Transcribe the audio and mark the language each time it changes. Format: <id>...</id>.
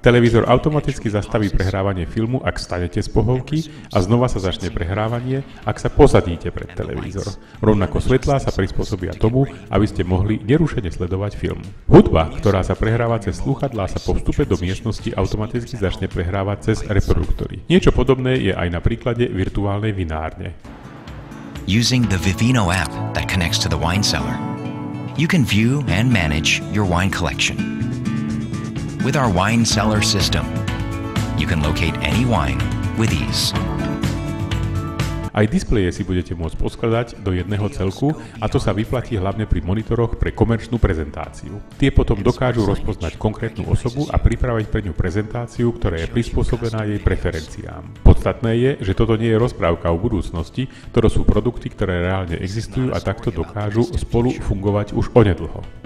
<sk>Televízor automaticky zastaví prehrávanie filmu, ak stanete z pohovky a znova sa začne prehrávanie, ak sa posadíte pred televízor. Rovnako svetlá sa prispôsobia tomu, aby ste mohli nerušene sledovať film. Hudba, ktorá sa prehráva cez slúchadlá, sa po vstupe do miestnosti automaticky začne prehrávať cez reproduktory. Niečo podobné je aj na príklade virtuálnej vinárne.</sk> <en>Using the Vivino app that connects to the wine cellar, you can view and manage your wine collection. With our wine cellar system, you can locate any wine with ease.</en> <sk>Aj displeje si budete môcť poskladať do jedného celku a to sa vyplatí hlavne pri monitoroch pre komerčnú prezentáciu. Tie potom dokážu rozpoznať konkrétnu osobu a pripraviť pre ňu prezentáciu, ktorá je prispôsobená jej preferenciám. Podstatné je, že toto nie je rozprávka o budúcnosti, toto sú produkty, ktoré reálne existujú a takto dokážu spolu fungovať už onedlho.</sk>